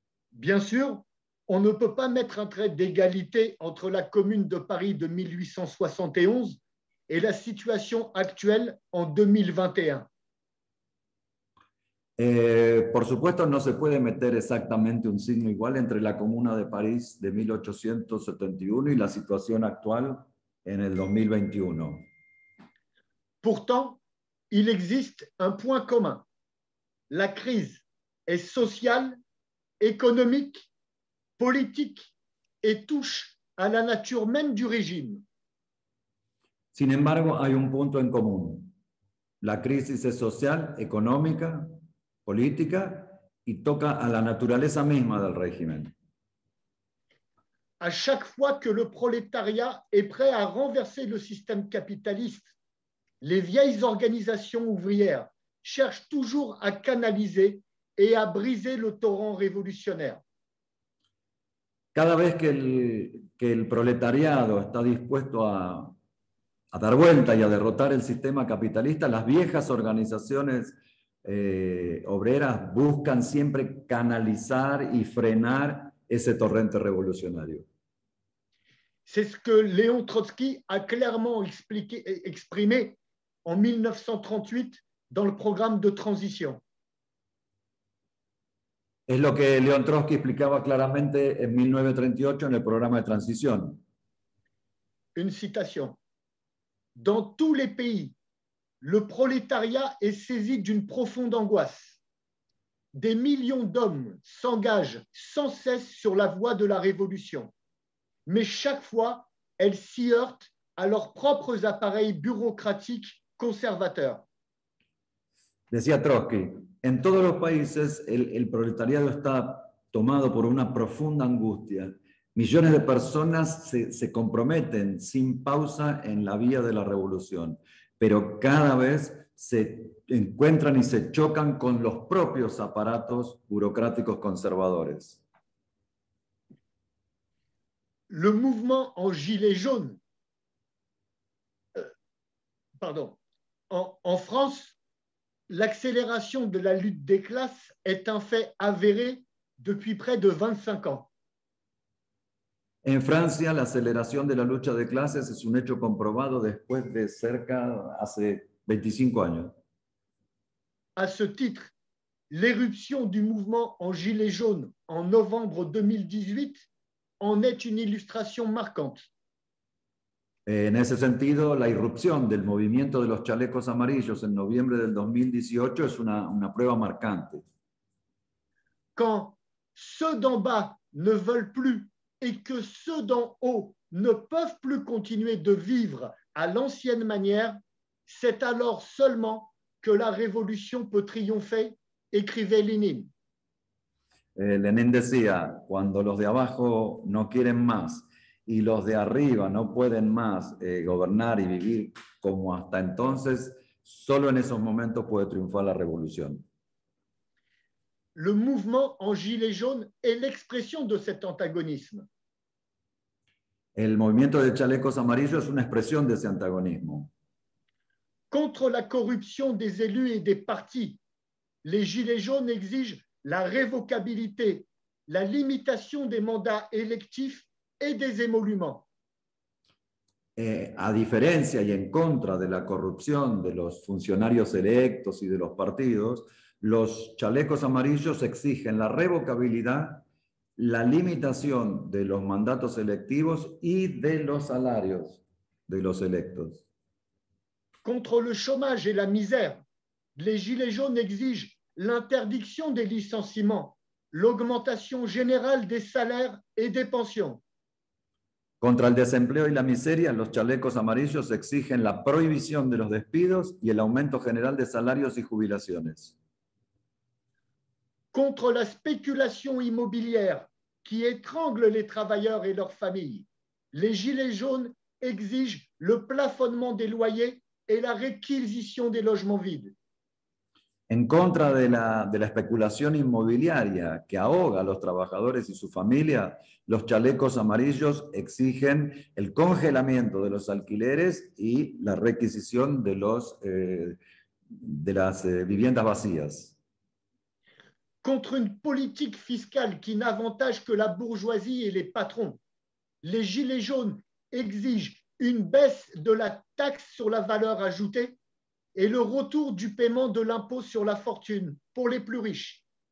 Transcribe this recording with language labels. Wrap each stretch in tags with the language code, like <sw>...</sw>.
<fr>Bien sûr, on ne peut pas mettre un trait d'égalité entre la Commune de Paris de 1871 et la situation actuelle en 2021.</fr> <es>Por supuesto, no se puede meter exactamente un signo igual entre la Comuna de París de 1871 y la situación actual en el 2021.</es> <fr>Pourtant, il existe un point commun. La crise est sociale, économique, politique et touche à la nature même du régime.</fr> <es>Sin embargo, hay un punto en común. La crisis es social, económica, política y toca a la naturaleza misma del régimen.</es> <fr>À chaque fois que le prolétariat est prêt à renverser le système capitaliste, les vieilles organisations ouvrières cherchent toujours à canaliser et à briser le torrent révolutionnaire.</fr> <es>Cada vez que el proletariado está dispuesto a dar vuelta y a derrotar el sistema capitalista, las viejas organizaciones obreras buscan siempre canalizar y frenar ese torrente revolucionario.</es> <fr>C'est ce que Léon Trotsky a clairement exprimé en 1938 dans le programme de transition.</fr> <es>Es lo que Léon Trotsky explicaba claramente en 1938 en el programa de transición.</es> <fr>Une citation. Dans tous les pays, le prolétariat est saisi d'une profonde angoisse. Des millions d'hommes s'engagent sans cesse sur la voie de la révolution. Mais chaque fois, elles s'y heurtent à leurs propres appareils bureaucratiques conservateurs.</fr> <es>Decía Trotsky, en todos los países el proletariado está tomado por una profunda angustia. Millones de personas se comprometen sin pausa en la vía de la revolución, pero cada vez se encuentran y se chocan con los propios aparatos burocráticos conservadores.</es> <fr>Le mouvement en gilet jaune, pardon, en France, l'accélération de la lutte des classes est un fait avéré depuis près de 25 ans.</fr> <es>En Francia, la aceleración de la lucha de clases es un hecho comprobado después de cerca hace 25 años.</es> <fr>A ce titre, l'éruption du mouvement en gilet jaune en novembre 2018 en est une illustration marquante.</fr> <es>En ese sentido, la irrupción del movimiento de los chalecos amarillos en noviembre del 2018 es una prueba marcante.</es> <fr>Quand ceux d'en bas ne veulent plus et que ceux d'en haut ne peuvent plus continuer de vivre à l'ancienne manière, c'est alors seulement que la révolution peut triompher, écrivait Lénine.</fr> <es>Lénine decía, cuando los de abajo no quieren más y los de arriba no pueden más gobernar y vivir como hasta entonces, solo en esos momentos puede triunfar la revolución.</es> <fr>Le mouvement en gilet jaune est l'expression de cet antagonisme.</fr> <es>El movimiento de chalecos amarillos es una expresión de ese antagonismo.</es> <fr>Contre la corrupción des élus et des partis, les gilets jaunes exigent la révocabilité, la limitation des mandats électifs et des émoluments.</fr> <es>A diferencia y en contra de la corrupción de los funcionarios electos y de los partidos, los chalecos amarillos exigen la revocabilidad, la limitación de los mandatos electivos y de los salarios de los electos.</es> <fr>Contre le chômage et la misère, les gilets jaunes exigent l'interdiction des licenciements, l'augmentation générale des salaires et des pensions.</fr> <es>Contra el desempleo y la miseria, los chalecos amarillos exigen la prohibición de los despidos y el aumento general de salarios y jubilaciones.</es> <fr>Contre la spéculation immobilière qui étrangle les travailleurs et leurs familles, les gilets jaunes exigent le plafonnement des loyers et la réquisition des logements vides.</fr> <es>En contra de la especulación inmobiliaria que ahoga a los trabajadores y su familia, los chalecos amarillos exigen el congelamiento de los alquileres y la requisición de los de las viviendas vacías.</es> <fr>Contre une politique fiscale qui n'avantage que la bourgeoisie et les patrons, les gilets jaunes exigent une baisse de la taxe sur la valeur ajoutée et le retour du paiement de l'impôt sur la fortune pour les plus riches.</fr>